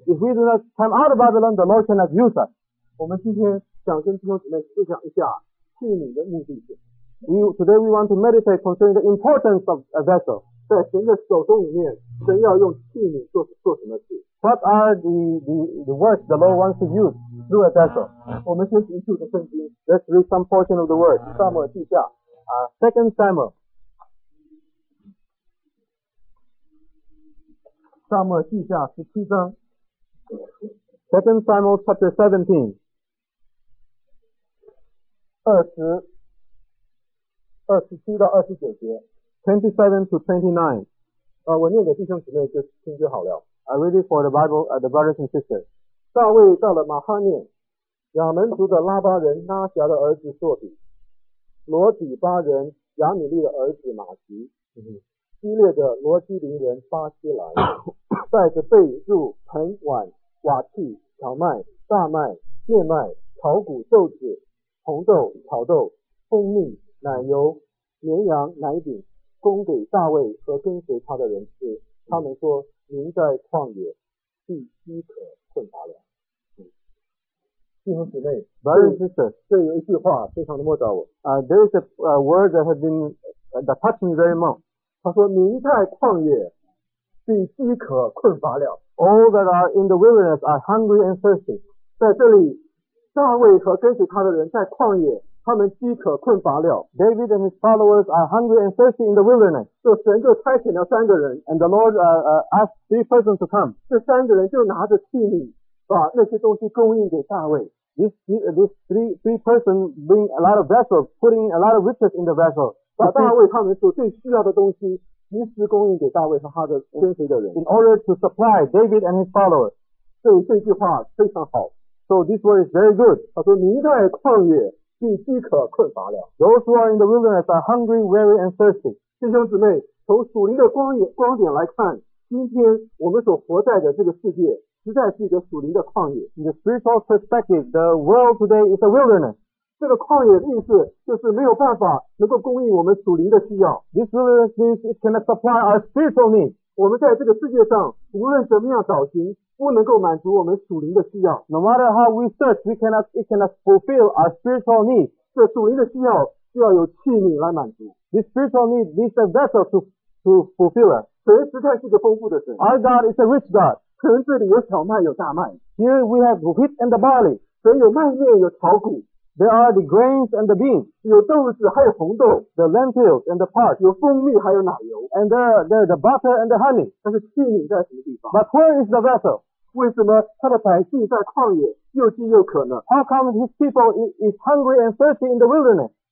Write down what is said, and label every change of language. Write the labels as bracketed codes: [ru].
[en] If we do not come out of Babylon, the Lord cannot use us. [zh] 我们今天想跟弟兄姊妹思想一下器皿的目的性。 [en] Today we want to meditate concerning the importance of a vessel. [zh] 在神的手中里面，神要用器皿做什么事 [en] ？What are the words the Lord wants to use through a vessel？ [zh] 我们先读旧的圣经。 [en] Let's read some portion of the word。 [zh] 撒母耳记下， [en] Second Samuel。 [zh] 撒母耳记下十七章。 [en] Second Samuel chapter 17。 [zh] 二十七到二十九节。 [en] 27-29. I read it for the Bible, the brothers and sisters. [zh] 大卫到了马哈念，亚门族的拉巴人拉辖的儿子朔比，罗底巴人亚米利的儿子马吉，基列的罗基林人巴西来，带着被褥、盆碗、瓦器、荞麦、大麦、面麦、炒谷、豆子、红豆、炒豆、蜂蜜、奶油、绵羊、奶饼。供给大卫和跟随他的人吃，他们说：“您在旷野必饥渴困乏了。” 弟兄姊妹 [en] ，Brothers and sisters， [zh] 这有一句话非常的摸着我。 [en] There is a word that has been that touched me very much。 [zh] 他说：“您在旷野必饥渴困乏了。 [en] ”All that are in the wilderness are hungry and thirsty。 [zh] 在这里，大卫和跟随他的人在旷野。他们饥渴困乏了。 [en] David and his followers are hungry and thirsty in the wilderness. [zh] 就神就差遣了三个人。 [en] And the Lord asked three persons to come. [zh] 这三个人就拿着器皿，把那些东西供应给大卫。 [en] These three persons bring a lot of vessels, putting a lot of riches in the vessel. [zh] 把大卫他们所最需要的东西及时供应给大卫和他的跟随的人。 [en] In order to supply David and his followers. [zh] 所以这句话非常好。 [en] So this word is very good. [zh] 他说您在旷野并饥渴困乏了。 [en] Those who are in the wilderness are hungry, weary, and thirsty. [zh] 弟兄姊妹，从属灵的光点来看，今天我们所活在的这个世界实在是一个属灵的旷野。 [en] In the spiritual perspective, the world today is a wilderness. [zh] 这个旷野的意思就是没有办法能够供应我们属灵的需要。 [en] This wilderness means it cannot supply our spiritual needs. [zh] 我们在这个世界上无论怎么样找寻，不能够满足我们属灵的需要。 [en] No matter how we search, it cannot fulfill our spiritual needs. [zh] 这属灵的需要需要有器皿来满足。 [en] This spiritual need needs a vessel to fulfill it. [zh] 神实在是个丰富的神。 [en] Our God is a rich God. [zh] 神这里有小麦有大麦。 [en] Here we have wheat and the barley. [zh] 神有麦面有草谷。 [en] There are the grains and the beans. [zh] 有豆子还有红豆。 [en] The lentils and the pot. [zh] 有蜂蜜还有奶油。 [en] And there are the butter and the honey. [zh] 但是器皿在什么地方？ [en] But where is the vessel? [zh] 为什么他的百姓在旷野又饥又渴呢？ [en] How come his people is hungry and thirsty in the wilderness?